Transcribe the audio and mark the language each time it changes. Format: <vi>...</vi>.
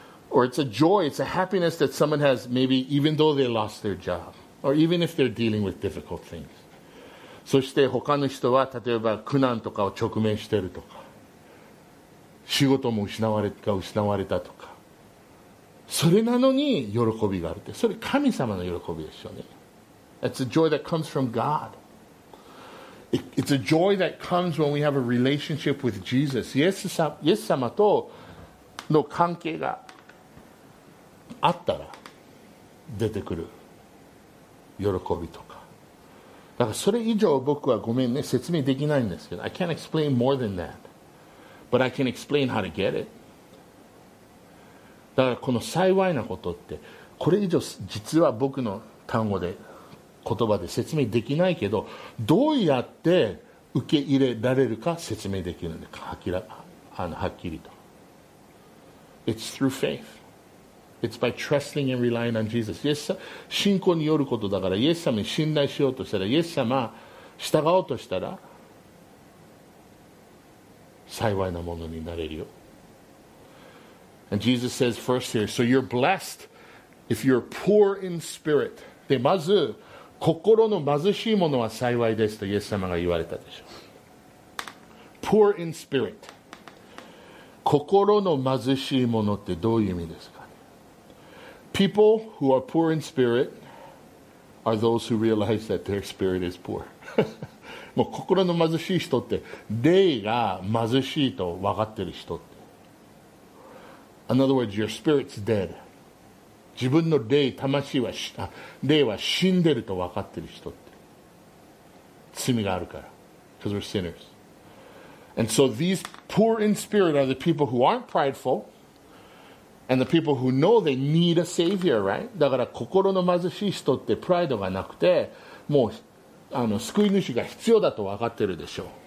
<en>Or it's a joy, it's a happiness that someone has maybe even though they lost their job or even if they're dealing with difficult things</en> <ja>そして他の人は例えば苦難とかを直面してるとか仕事も失われたとかそれなのに喜びがあるってそれ神様の喜びですよね</ja> <en>It's a joy that comes from God It's a joy that comes when we have a relationship with Jesus</en> <ja>イエス様との関係があったら出てくる喜びとかだからそれ以上僕はごめんね説明できないんですけど</ja> <en>I can't explain more than that but I can explain how to get it</en> <ja>だからこの幸いなことってこれ以上実は僕の単語で言葉で説明できないけどどうやって受け入れられるか説明できるんではっきりと</ja> <en>It's through faith It's by trusting and relying on Jesus</en> <ja>信仰によることだからイエス様に信頼しようとしたらイエス様従おうとしたら幸いなものになれるよ</ja> <en>And Jesus says first here, so you're blessed if you're poor in spirit.</en> <ja>で、まず、心の貧しいものは幸いですとイエス様が言われたでしょう。</ja> <en>Poor in spirit.</en> <ja>心の貧しいものってどういう意味ですか</ja> <en>People who are poor in spirit are those who realize that their spirit is poor.</en> <ja>もう心の貧しい人って、霊が貧しいと分かってる人って。</ja> <en>In other words, your spirit's dead.</en> <ja>自分の霊は死んでると分かってる人って。罪があるから。</ja> <en>Because we're sinners. And so these poor in spirit are the people who aren't prideful and the people who know they need a savior, right?</en> <ja>だから心の貧しい人ってプライドがなくて、もう救い主が必要だと分かってるでしょう。</ja>